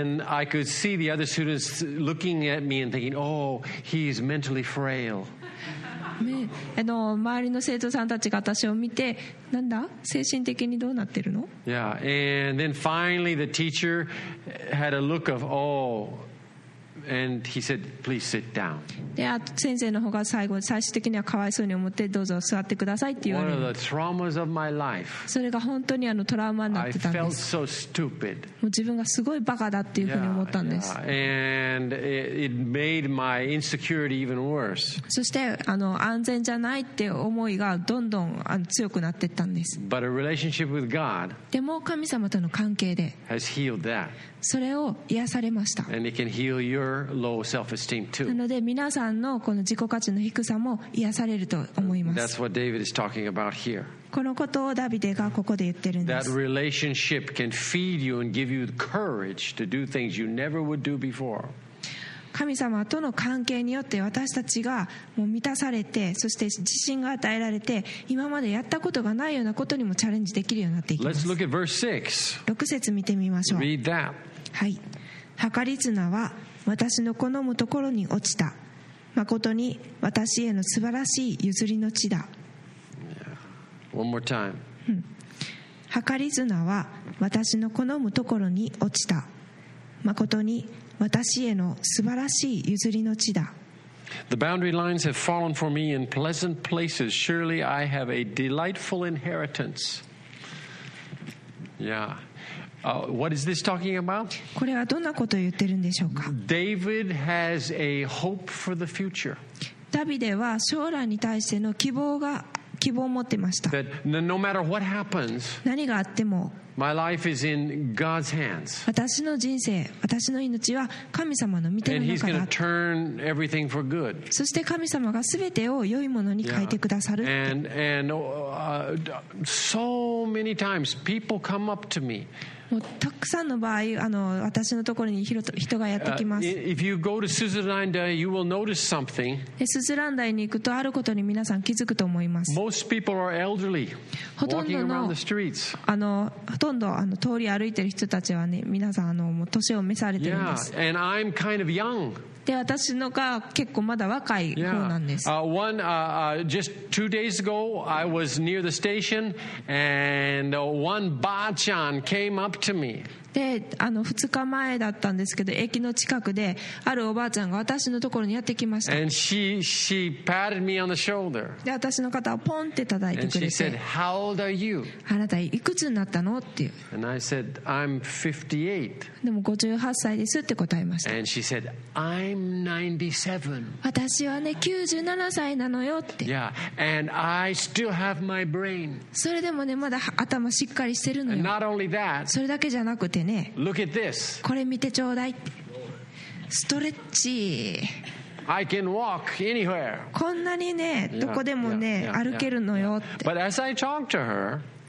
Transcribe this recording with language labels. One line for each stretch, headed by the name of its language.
English: And then I could see the other students looking at me and thinking, "Oh, he's mentally frail."
Japanese: 周りの生徒さんたちが私を見て、なんだ？精神的にどうなってるの？
English: Yeah, and then finally the teacher had a look of, "Oh." And he said, "Please sit down." Yeah,
Japanese: 先生の方が最終的にはかわいそうに思ってどうぞ座ってくださいって言われる。
English: One of the traumas of my life.
Japanese: それが本当にトラウマになってたんです。
English: I felt so stupid.
Japanese: もう自分がすごいバカだっていうふうに思ったんです。
English: Yeah, and it made my insecurity even worse.
Japanese: そして安全じゃないって思いがどんどん強くなってったんです。
English: But a relationship with God.
Japanese: でも神様との関係で。
English: Has healed that.
Japanese: それを癒されました。なので皆さんのこの自己価値の低さも癒されると思います。
English: That's what David is talking about here.
Japanese: このことをダビデがここで言ってるんです。
English: That relationship can feed you and give you courage to do things you never would do before.
Japanese: 神様との関係によって私たちがもう満たされて、そして自信が与えられて、今までやったことがないようなことにもチャレンジできるようになっていきます。
English: Let's look at verse
Japanese: 6. 6節見てみましょう。
English: Read that.
Japanese: はい。はかり綱は私の好むところに落ちた。誠に私への素晴らしい譲りの地だ。 Yeah. One more time. はかり綱は私の好むところに落ちた。誠に私への素晴らしい譲りの地だ。
English: The boundary lines have fallen for me in pleasant places. Surely I have a delightful inheritance. Yeah. What is this talking about?
Japanese: これはどんなことを言ってるんでしょうか?
English: David has a hope for the future.
Japanese: ダビデは将来に対しての希望が希望を持ってました。
English: That no matter what happens,
Japanese: 何があっても、
English: my life is in God's hands.
Japanese: 私の人生、私の命は神様の御手の中だ。
English: And He's going to turn everything for good.
Japanese: そして神様が全てを良いものに変えてくださるって。
English: And so many times people come up to me.
Japanese: もうたくさんの場合あの私のところに人がやってきます。
English: If you go to Suzuranda, you will notice something.
Japanese: スズランダイに行くとあることに皆さん気づくと思います。
English: Most people are elderly, walking around the streets.
Japanese: ほとんどあの通り歩いてる人たちはね皆さんあのもう年を召されてるんです。
English: Yeah, and I'm kind of young.
Japanese: で私のが結構まだ若い方なんです。
English: Yeah. Just 2 days ago, I was near the station, and one ba-chan came up to me.
Japanese: で、あの2日前だったんですけど、駅の近くであるおばあちゃんが私のところにやってきました。
English: And she patted me on the shoulder.
Japanese: で、私の肩をポンって叩いてくれて。
English: And she said, "How old are you?"
Japanese: あなたいくつになったのっていう。
English: And I said, "I'm 58."
Japanese: でも58歳ですって答えました。
English: And she said, "I'm 97.
Japanese: 私はね97歳なのよって。
English: Yeah, and I still have my brain.
Japanese: それでもねまだ頭しっかりしてるのよ。
English: And not only that.
Japanese: それだけじゃなくてね。
English: Look at this.
Japanese: これ見てちょうだい。ストレッチ。
English: I can walk anywhere.
Japanese: こんなにねどこでもね歩けるのよって。
English: Yeah. But as I talked to her,